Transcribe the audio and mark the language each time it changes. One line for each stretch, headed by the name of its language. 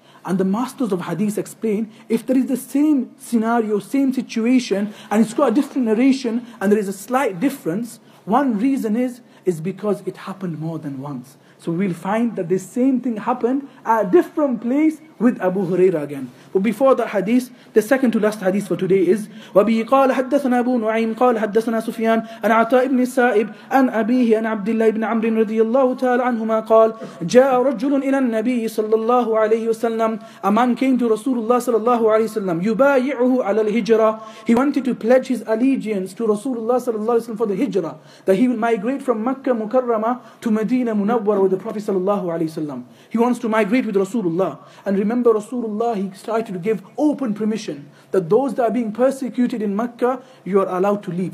English: And the masters of hadith explain, if there is the same scenario, same situation, and it's got a different narration, and there is a slight difference, one reason is because it happened more than once. So we'll find that this same thing happened at a different place with Abu Huraira again. But before that hadith, the second to last hadith for today is,
Arabic: وَبِهِ قَالَ حَدَّثَنَا أَبُو نُعَيْمٍ قَالَ حَدَّثَنَا سُفْيَانَ أَنْ عَطَاءَ إِبْنِ سَائِبْ أَنْ أَبِيهِ أَنْ عَبْدِ اللَّهِ بْنِ عَمْرٍ رَضِيَ اللَّهُ تَعَالَ عَنْهُمَا قَالَ جَاءَ رَجُلٌ إِلَى النَّبِيِّ صَلَّى اللَّهُ عَلَيْهِ وَسَلَّمَ.
English: A man came to Rasulullah sallallahu alayhi wasallam,
Arabic: yubayi'uhu ala al-hijra.
English: He wanted to pledge his allegiance to Rasulullah sallallahu alayhi wasallam for the hijra, that he will migrate from Makkah Mukarrama to Medina Munawwara with the Prophet sallallahu alayhi wasallam. He wants to migrate with Rasulullah. And remember, Rasulullah, he started to give open permission that those that are being persecuted in Makkah, you are allowed to leave.